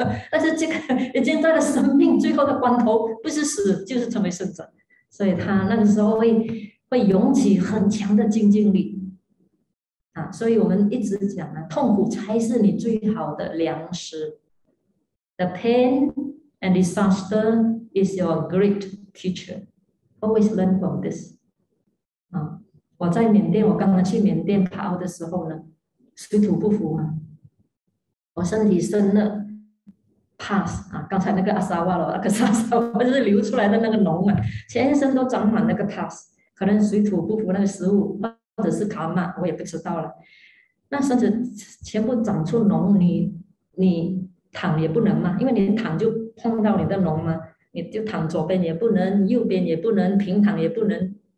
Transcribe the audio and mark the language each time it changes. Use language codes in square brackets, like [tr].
[zh] 但是这个已经在了生命最后的关头，不是死就是成为圣者，所以他那个时候会涌起很强的精进力啊。所以我们一直讲啊，痛苦才是你最好的粮食。 [en] The pain and disaster is your great teacher. Always learn from this. 啊。 [zh] 我在缅甸，我刚刚去缅甸爬的时候呢，水土不服嘛，我身体生热 ，pass 啊，刚才那个阿萨瓦罗，那个阿萨瓦就是流出来的那个脓啊，全身都长满那个 pass， 可能水土不服那个食物，或者是卡玛，我也不知道了。那甚至全部长出脓，你躺也不能嘛，因为你躺就碰到你的脓嘛，你就躺左边也不能，右边也不能，平躺也不能。